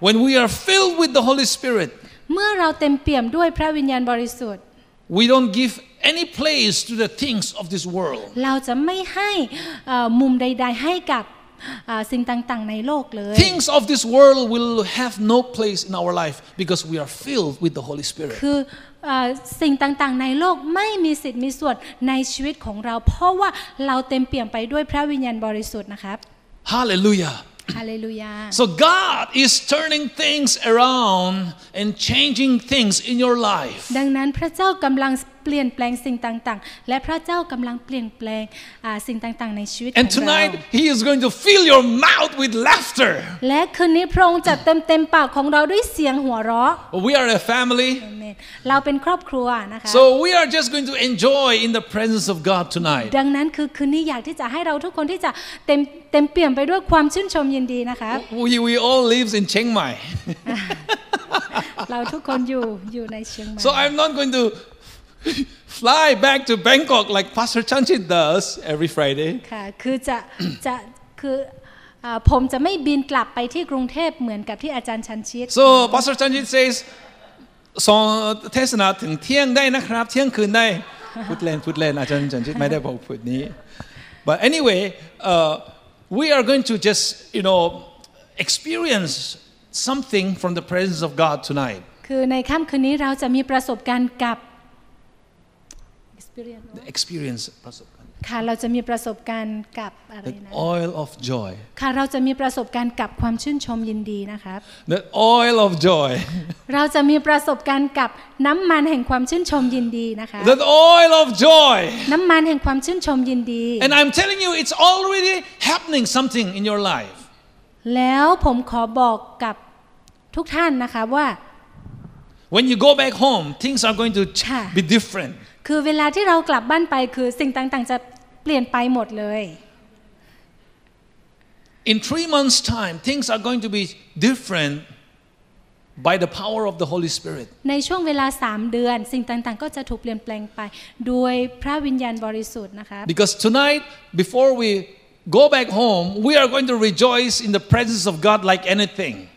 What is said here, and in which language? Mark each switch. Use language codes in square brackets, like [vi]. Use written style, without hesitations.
[en] When we are filled with the Holy Spirit. [th] เมื่อเราเต็มเปี่ยมด้วยพระวิญญาณบริสุทธิ์ [en] We don't give any place to the things of this world. [th] เราจะไม่ให้มุมใดๆให้กับสิ่งต่างๆในโลกเลย [en] Things of this world will have no place in our life because we are filled with the Holy Spirit. [th] คือสิ่งต่างๆในโลกไม่มีสิทธิ์มีส่วนในชีวิตของเราเพราะว่าเราเต็มเปี่ยมไปด้วยพระวิญญาณบริสุทธิ์นะครับ ฮาเลลูยา ฮาเลลูยา [en] So God is turning things around and changing things in your life [th] ดังนั้นพระเจ้ากำลังเปลี่ยนแปลงสิ่งต่างๆและพระเจ้ากำลังเปลี่ยนแปลงสิ่งต่างๆในชีวิตของเรา [en] And tonight he is going to fill your mouth with laughter [th] และคืนนี้พระองค์จะเต็มๆปากของเราด้วยเสียงหัวเราะ [en] We are a family [th] เราเป็นครอบครัวนะคะ [en] So we are just going to enjoy in the presence of God tonight [th] ดังนั้นคือคืนนี้อยากที่จะให้เราทุกคนที่จะเต็มเปี่ยมไปด้วยความชื่นชมยินดีนะคะ [en] We all live in Chiang Mai [th] เราทุกคนอยู่ในเชียงใหม่ [en] So I'm not going to fly back to Bangkok like Pastor Chan Chit does every Friday [th] ค่ะคือจะคือผมจะไม่บินกลับไปที่กรุงเทพเหมือนกับที่อาจารย์ชันชิต [en] So Pastor Chan Chit says [th] สอนเทศนาถึงเที่ยงได้นะครับเที่ยงคืนได้พูดเล่นอาจารย์ชันชิตไม่ได้บอกพูดนี้ [en] But anyway we are going to just you know experience something from the presence of God tonight [th] คือในค่ำคืนนี้เราจะมีประสบการณ์กับ experience ประสบ ค่ะเราจะมีประสบการณ์กับอะไรนะ [en] The oil of joy [th] ค่ะเราจะมีประสบการณ์กับความชื่นชมยินดีนะครับ [en] The oil of joy [th] เราจะมีประสบการณ์กับน้ำมันแห่งความชื่นชมยินดีนะคะ [en] The oil of joy [th] น้ำมันแห่งความชื่นชมยินดี [en] And I'm telling you it's already happening something in your life [th] แล้วผมขอบอกกับทุกท่านนะคะว่า [en] When you go back home things are going to be different [th] คือเวลาที่เรากลับบ้านไปคือสิ่งต่างๆจะเปลี่ยนไปหมดเลย [en] In 3 months time things are going to be different by the power of the Holy Spirit [th] ในช่วงเวลา3เดือนสิ่งต่างๆก็จะถูกเปลี่ยนแปลงไปด้วยพระวิญญาณบริสุทธิ์นะคะ [en] Because tonight before we go back home we are going to rejoice in the presence of God like anything